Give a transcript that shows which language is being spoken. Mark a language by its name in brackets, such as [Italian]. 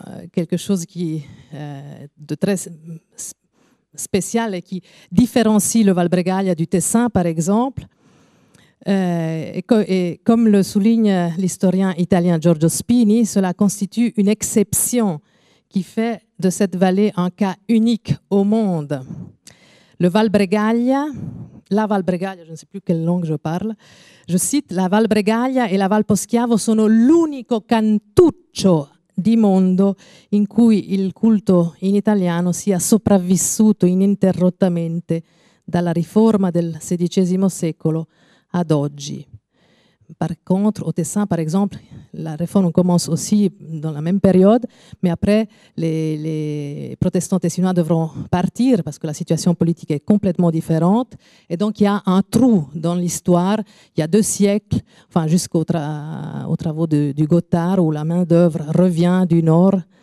[French] quelque chose qui de très spécial et qui différencie le Valbregaglia du Tessin, par exemple. Et comme le souligne l'historien italien Giorgio Spini, cela constitue une exception qui fait de cette vallée un cas unique au monde. Le Valbregaglia, la Valbregaglia, je ne sais plus quelle langue je parle, je cite, [Italian] la Valbregaglia e la Valposchiavo sono l'unico cantuccio di mondo in cui il culto in italiano sia sopravvissuto ininterrottamente dalla riforma del XVI secolo ad oggi. [French] Par contre, au Tessin, par exemple, la réforme commence aussi dans la même période, mais après, les protestants tessinois devront partir parce que la situation politique est complètement différente. Et donc, il y a un trou dans l'histoire. Il y a deux siècles, enfin, jusqu'aux aux travaux du Gothard, où la main-d'œuvre revient du Nord.